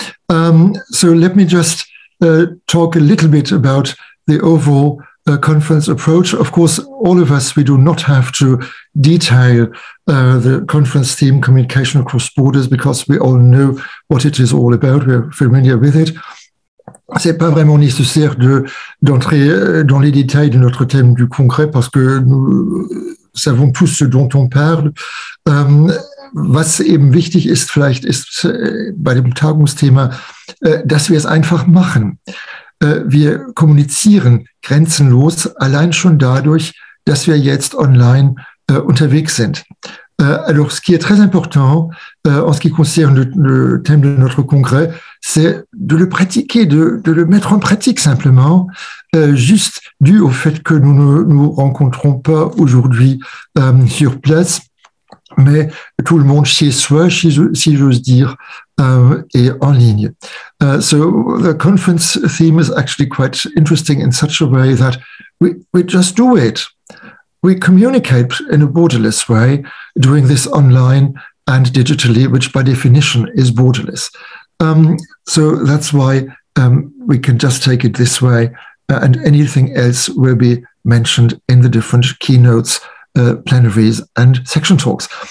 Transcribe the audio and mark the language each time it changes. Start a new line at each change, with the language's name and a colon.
English: So let me just talk a little bit about the overall conference approach. Of course, all of us, we do not have to detail the conference theme, communication across borders, because we all know what it is all about. We're familiar with it.
French: C'est pas vraiment nécessaire d'entrer dans les détails de notre thème du congrès, parce que nous savons tous ce dont on parle.
German: Was eben wichtig ist, vielleicht ist bei dem Tagungsthema, dass wir es einfach machen. Wir kommunizieren grenzenlos allein schon dadurch, dass wir jetzt online unterwegs sind.
French: Alors, ce qui est très important en ce qui concerne le thème de notre congrès, c'est de le pratiquer, de le mettre en pratique simplement, juste dû au fait que nous ne nous rencontrons pas aujourd'hui sur place. Mais tout le monde chez soi, si j'ose dire, est en ligne.
English: So the conference theme is actually quite interesting in such a way that we just do it. We communicate in a borderless way, doing this online and digitally, which by definition is borderless. So that's why we can just take it this way, and anything else will be mentioned in the different keynotes, plenaries and section talks.